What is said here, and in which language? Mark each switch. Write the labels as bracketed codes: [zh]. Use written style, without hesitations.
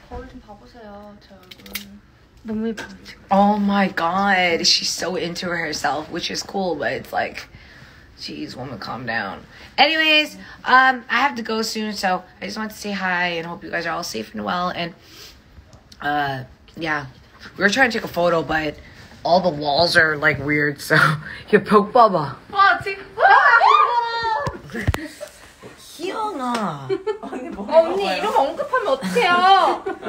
[ko] 거울 좀 봐보세요, 저 얼굴. 너무 예쁘지? [en] Oh my god, she's so into herself, which is cool, but it's like, jeez, woman, calm down. Anyways, I have to go soon, so I just want to say hi and hope you guys are all safe and well. And, yeah, we were trying to take a photo, but... All the walls are like weird, so you poke Baba. What? [ko] Hyeong아. 언니 이름 언급하면 어떡해요?